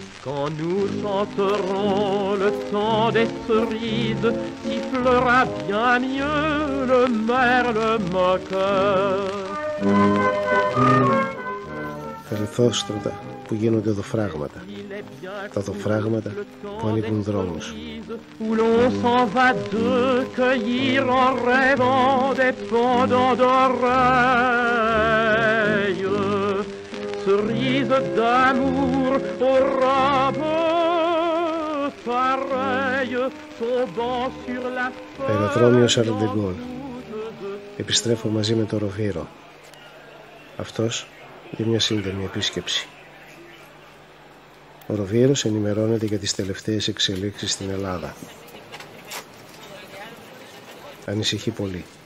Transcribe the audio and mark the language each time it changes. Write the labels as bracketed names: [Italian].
[French] Quand nous chanterons le temps des cerises, sifflera bien mieux le merle moqueur. [Greek] Ερυθρόστρωτα που γίνονται δοφράγματα. Τα δοφράγματα που ανοίγουν δρόμους. [French] Où l'on s'en va de cueillir en rêvant des pendants d'oreilles. Cerise d'amour aux robes pareilles tombant sur la feuille. [Greek] Αεροδρόμιο Charles de Gaulle. Επιστρέφω μαζί με τον Ροβίρο. Αυτός για μια σύντομη επίσκεψη. Ο Ροβίρος ενημερώνεται για τις τελευταίες εξελίξεις στην Ελλάδα. Ανησυχεί πολύ.